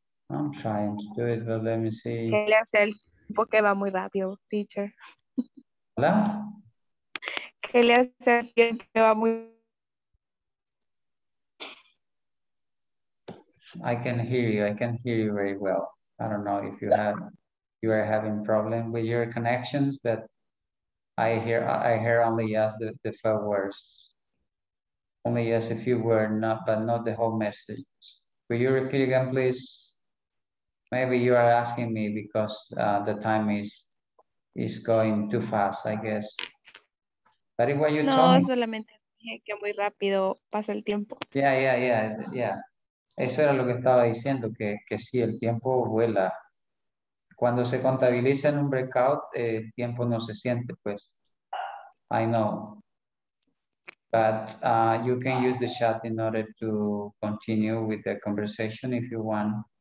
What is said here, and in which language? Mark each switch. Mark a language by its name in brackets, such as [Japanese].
[English] I'm trying to do it, but let me see. [Spanish] ¿Qué le hace el tiempo que va muy rápido, teacher? ¿Hola? ¿Qué le hace el tiempo que va muy rápido? [English] I can hear you very well. I don't know if you are having problem with your connections, but I hear only yes the first words. Only yes a few words, but not the whole message. Will you repeat again, please? Maybe you are asking me because the time is going too fast, I guess. But if what you no, told me. [Spanish] No, solamente dije que muy rápido pasa el tiempo. [English] Yeah. [Spanish] Eso era lo que estaba diciendo, que sí, el tiempo vuela. Cuando se contabiliza en un breakout, el tiempo no se siente, pues. [English] I know. But you can use the chat in order to continue with the conversation if you want.